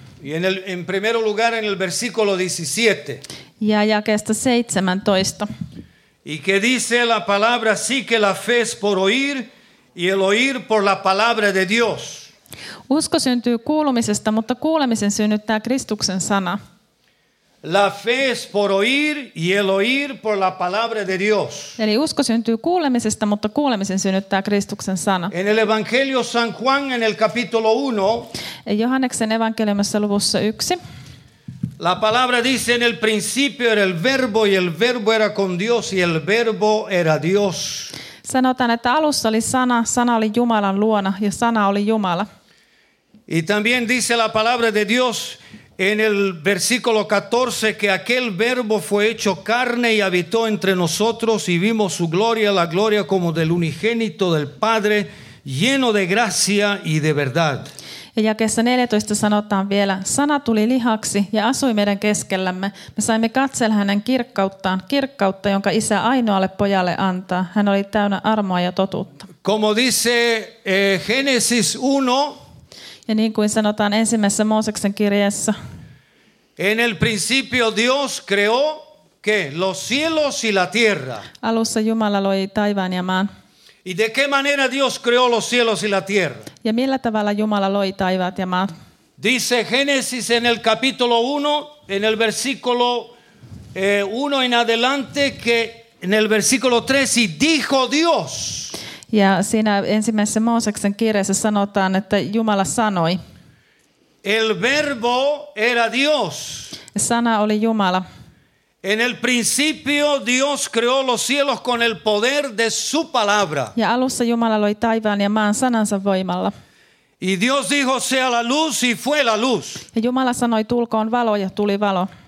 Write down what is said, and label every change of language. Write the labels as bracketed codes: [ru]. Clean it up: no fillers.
[es] Y en primer lugar en el versículo 17. [fi] Ja jakeesta 17. [es] Y que dice la palabra, sí que la fe es por oír, y el oír por la palabra de Dios. [fi] Usko syntyy kuulumisesta, mutta kuulemisen synnyttää Kristuksen sana. [es] La fe es por oír y el oír por la palabra de Dios. [fi] Eli usko syntyy kuulemisesta, mutta kuulemisen synnyttää Kristuksen sana. [es] En el Evangelio San Juan en el capítulo 1. [fi] Johanneksen evankeliumissa luvussa 1. [es] La palabra dice en el principio era el verbo y el verbo era con Dios y el verbo era Dios. [fi] Sanotaan, että alussa oli sana, sana oli Jumalan luona ja sana oli Jumala. [es] Y también dice la palabra de Dios en el versículo 14 que aquel verbo fue hecho carne y habitó entre nosotros y vimos su gloria, la gloria como del unigénito del Padre, lleno de gracia y de verdad. [fi] Ja jakeessa 14 sanotaan vielä, sana tuli lihaksi ja asui meidän keskellämme. Me saimme katsella hänen kirkkauttaan, kirkkautta, jonka isä ainoalle pojalle antaa. Hän oli täynnä armoa ja totuutta. [es] Como dice Génesis 1. [fi] Ja niin kuin sanotaan ensimmäisessä Mooseksen kirjeessä. [es] En el principio Dios creó que los cielos y la tierra. [fi] Alussa Jumala loi taivaan ja maan. [es] ¿Y de qué manera Dios creó los cielos y la tierra? [fi] Ja millä tavalla Jumala loi taivaat ja maat? [es] Dice Génesis en el capítulo 1, en el versículo 1 en adelante, que en el versículo 3, y dijo Dios. [fi] Ja siinä ensimmäisessä Mooseksen kirjassa sanotaan, että Jumala sanoi. [es] El verbo era Dios. [fi] Sana oli Jumala. [es] En el principio Dios creó los cielos con el poder de su palabra. [fi] Ja alussa Jumala loi taivaan ja maan sanansa voimalla. [es] Y Dios dijo sea la luz y fue la luz. [fi] Ja Jumala sanoi tulkoon valo ja tuli valo.